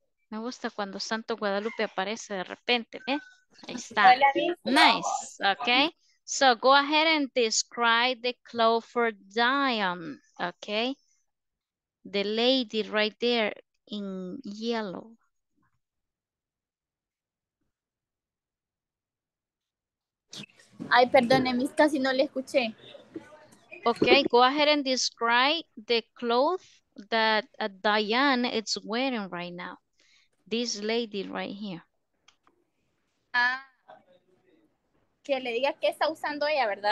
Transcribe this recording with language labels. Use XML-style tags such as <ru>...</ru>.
<es>Me gusta cuando Santo Guadalupe aparece de repente. ¿Eh? Ahí está. Nice. Okay.</es> <en>So go ahead and describe the clothes for Diane. Okay. The lady right there in yellow.</en> <es>Ay, perdone, mis, casi no le escuché.</es> <en>Okay, go ahead and describe the clothes that Diane is wearing right now. This lady right here.</en> <es>Ah, que le diga qué está usando ella, ¿verdad?</es>